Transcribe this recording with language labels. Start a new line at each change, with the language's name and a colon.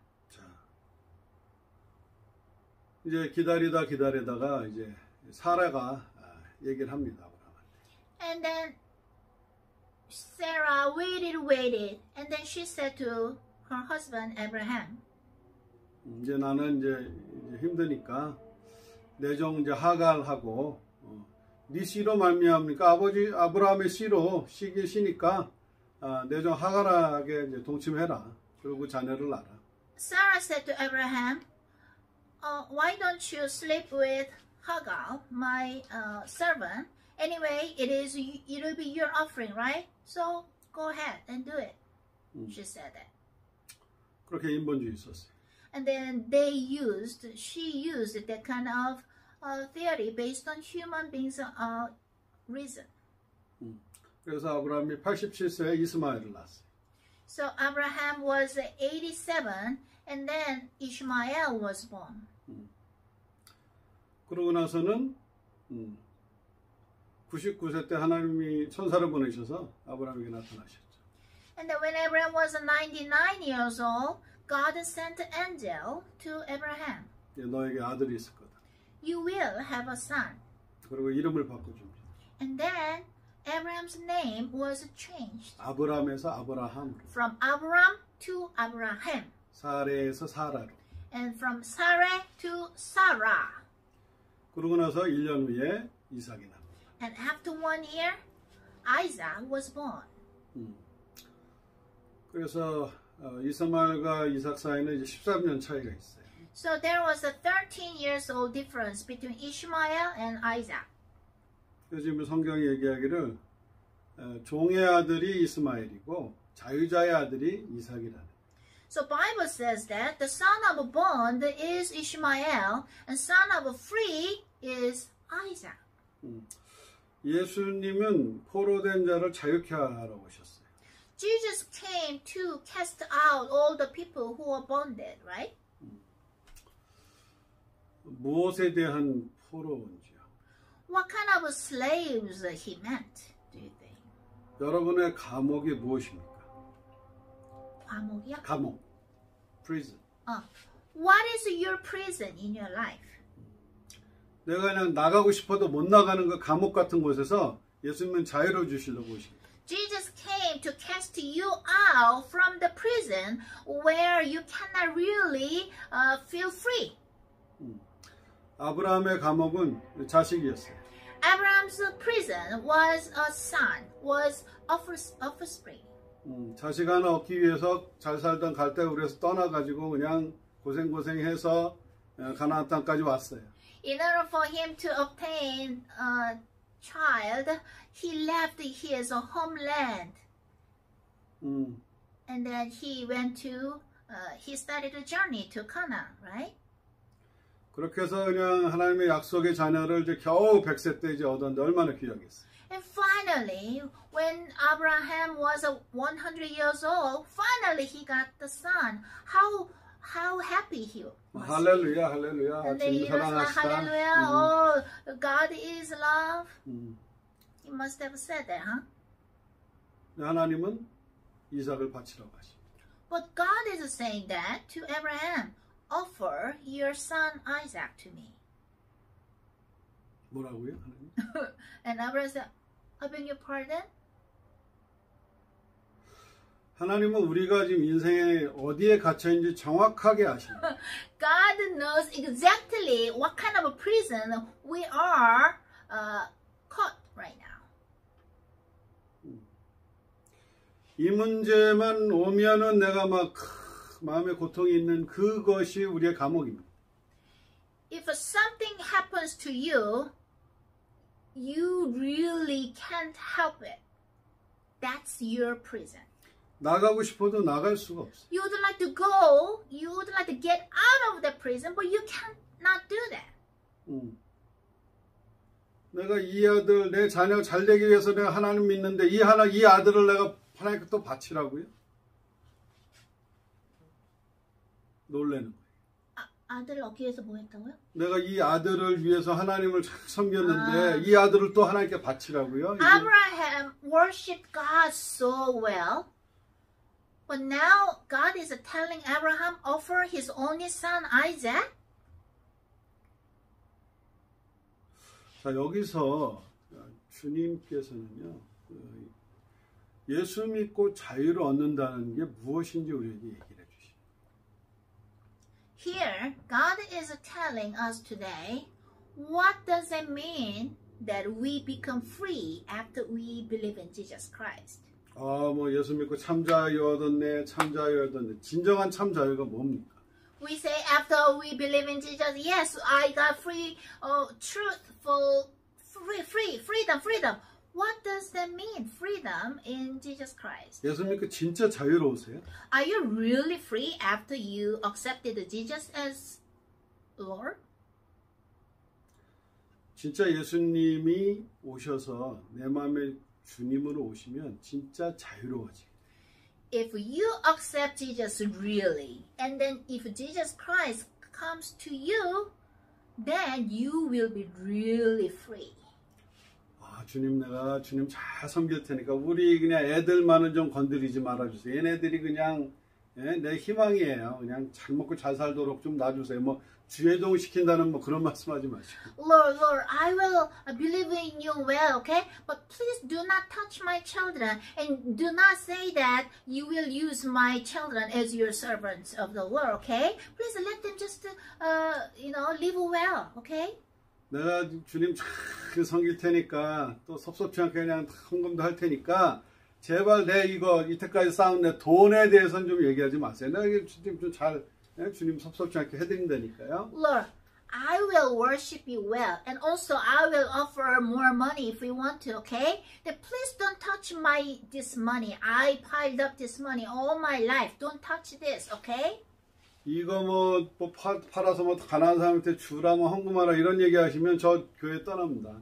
Korean: 자, 이제 기다리다가 이제 사라가 얘기를 합니다.
English: And then Sarah waited, and then she said to her husband Abraham,
Korean: 이제 나는 이제 힘드니까 내 종 이제 하갈하고 네 씨로 말미암니까 아버지 아브라함의 씨로 시기시니까 내 종 하갈하게 이제 동침해라 그리고 자녀를 낳아.
English: Sarah said to Abraham, "Why don't you sleep with Hagar, my servant? Anyway, it'll be your offering, right? So go ahead and do it." She said that.
Korean: 그렇게 인본주의 썼어요.
English: And then she used that kind of theory based on human beings' reason.
Korean: 그래서 아브라함이 87세에 이스마엘을 낳았어요.
English: So Abraham was 87, and then Ishmael was born.
Korean: 그러고 나서는 99세 때 하나님이 천사를 보내셔서 아브라함에게 나타나셨죠.
English: And then when Abraham was 99 years old, God sent an angel to Abraham.
Korean: 너에게 아들이 있을 거다.
English: You will have a son.
Korean: 그리고 이름을 바꿔줍니다.
English: And then Abraham's name was changed.
Korean: 아브라함에서 아브라함으로.
English: From Abraham to Abraham.
Korean: 사레에서 사라로.
English: And from Sarah to Sarah.
Korean: 그러고 나서 1년 후에 이삭이 납니다.
English: And after one year, Isaac was born.
Korean: 그래서 이사말과 이삭 사이는 이제 13년 차이가 있어요.
English: So there was a 13 years old difference between Ishmael and Isaac.
Korean: 요즘 성경이 얘기하기를 종의 아들이 이스마엘이고 자유자의 아들이 이삭이라는.
English: So Bible says that the son of a bond is Ishmael and son of a free is Isaac.
Korean: 예수님은 포로된 자를 자유케 하러 오셨어요.
English: Jesus came to cast out all the people who were bonded, right?
Korean: 무엇에 대한 포로인지요?
English: What kind of slaves he meant, do you think?
Korean: 여러분의 감옥이 무엇입니까? 감옥이요? 감옥. Prison.
English: What is your prison in your life?
Korean: 내가 그냥 나가고 싶어도 못 나가는 그 감옥 같은 곳에서 예수님은 자유를 주시려고 오신 거예요.
English: Jesus came to cast you out from the prison where you cannot really feel free.
Korean: 아브라함의 감옥은 자식이었어요.
English: Abraham's prison was a son, was offspring.
Korean: 자식 하나 얻기 위해서 잘 살던 갈대굴에서 떠나가지고 그냥 고생고생해서 가나안 땅까지 왔어요.
English: In order for him to obtain a child, he left his homeland. And then he went to, he started a journey to Canaan, right?
Korean: 그렇게 해서 그냥 하나님의 약속의 자녀를 이제 겨우 100세 때 이제 얻었는데 얼마나 귀하겠어요.
English: And finally, when Abraham was 100 years old, finally he got the son. How happy he was. Hallelujah, hallelujah. And then he was like, hallelujah, oh, God is love. He must have said that, huh?
Korean: 하나님은 이삭을 바치러 가시.
English: But God is saying that to Abraham, offer your son Isaac to me.
Korean: 뭐라고요, 하나님?
English: And Abraham said, I beg your pardon?
Korean: 하나님은 우리가 지금 인생에 어디에 갇혀 있는지 정확하게 아십니다.
English: God knows exactly what kind of a prison we are caught right now.
Korean: 이 문제만 오면은 내가 막 마음의 고통이 있는 그것이 우리의 감옥입니다.
English: If something happens to you, you really can't help it. That's your prison.
Korean: 나가고 싶어도 나갈 수가 없어.
English: You would like to go, you would like to get out of the prison, but you cannot do that.
Korean: 내가 이 아들, 내 자녀 잘 되기 위해서 내가 하나님 믿는데 이 하나 이 아들을 내가 하나님께 또 바치라고요? 놀래는 거예요. 아들을 얻기 위해서 뭐 했다고요? 내가 이 아들을 위해서 하나님을 착 섬겼는데 이 아들을 또 하나님께 바치라고요?
English: 이게. Abraham worshipped God so well. But now God is telling Abraham offer his only son Isaac.
Korean: 자 여기서 주님께서는요 예수 믿고 자유를 얻는다는 게 무엇인지 우리에게 얘기를 해주십니다.
English: Here God is telling us today what does it mean that we become free after we believe in Jesus Christ.
Korean: 뭐 예수 믿고 참 자유 얻었네, 참 자유 얻었네. 진정한 참 자유가 뭡니까?
English: We say after we believe in Jesus, yes, I got free, truthful, freedom. What does that mean, freedom in Jesus Christ?
Korean: 예수 믿고 진짜 자유로우세요?
English: Are you really free after you accepted Jesus as Lord?
Korean: 진짜 예수님이 오셔서 내 마음에 주님으로 오시면 진짜 자유로워지게.
English: If you accept Jesus really, and then if Jesus Christ comes to you, then you will be really free.
Korean: 주님 내가 주님 잘 섬길 테니까 우리 그냥 애들만은 좀 건드리지 말아주세요. 얘네들이 그냥 내 희망이에요. 그냥 잘 먹고 잘 살도록 좀 놔주세요. 뭐 주회동 시킨다는 뭐 그런 말씀하지 마시고.
English: Lord, I will believe in you well, okay? But please do not touch my children and do not say that you will use my children as your servants of the Lord, okay? Please let them just, you know, live well, okay?
Korean: 내가 주님 잘 섬길 테니까 또 섭섭치 않게 그냥 헌금도 할 테니까 제발 내 이거 이때까지 쌓은 내 돈에 대해서는 좀 얘기하지 마세요. 내가 주님 좀 잘 주님 섭섭지 않게 해드린다니까요.
English: Lord, I will worship you well, and also I will offer more money if you want to, okay? But please don't touch my this money. I piled up this money all my life. Don't touch this, okay?
Korean: 이거 팔아서 가난한 사람한테 주라 헌금하라 이런 얘기하시면 저 교회 떠납니다.